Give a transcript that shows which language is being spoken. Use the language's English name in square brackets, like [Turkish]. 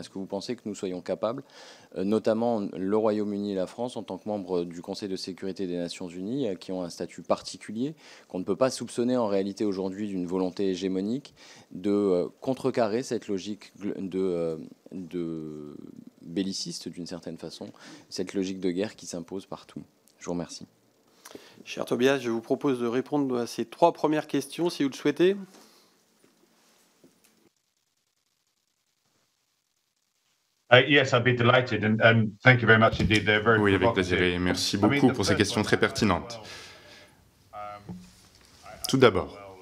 [French] Est-ce que vous pensez que nous soyons capables, notamment le Royaume-Uni et la France en tant que membres du Conseil de sécurité des Nations Unies qui ont un statut particulier, qu'on ne peut pas soupçonner en réalité aujourd'hui d'une volonté hégémonique, de contrecarrer cette logique de belliciste d'une certaine façon, cette logique de guerre qui s'impose partout. Je vous remercie. Cher Tobias, je vous propose de répondre à ces trois premières questions, si vous le souhaitez. [English] Yes, I'd be delighted, and thank you very much indeed. They're very. [French] Oui, avec plaisir. Merci beaucoup pour ces questions très pertinentes. Tout d'abord,